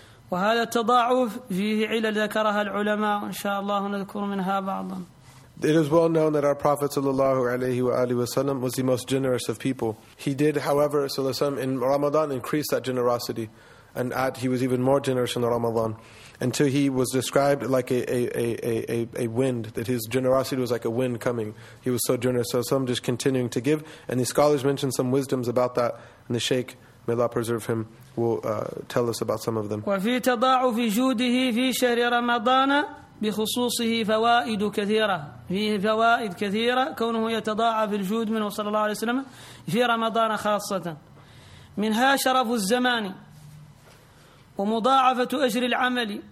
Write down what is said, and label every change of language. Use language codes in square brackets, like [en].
[ar] وهذا التضاعف فيه علل ذكرها العلماء إن شاء الله نذكر منها بعضا. [en] It is well known that our Prophet sallallahu alaihi wa alihi wasallam was the most generous of people. He did, however, sallallahu alaihi wasallam, in Ramadan increase that generosity, and he was even more generous in Ramadan, until he was described like a wind, that his generosity was like a wind coming. He was so generous, sallallahu alaihi wasallam, just continuing to give. And the scholars mentioned some wisdoms about that, and the Shaykh, may Allah preserve him, will tell us about some of them. [ar] وفي تضاعف جوده في شهر رمضان بخصوصه فوائد كثيرة. فيه فوائد كثيرة كونه يتضاعف الجود منه صلى الله عليه وسلم في رمضان خاصة. منها شرف الزمان ومضاعفة أجر العمل.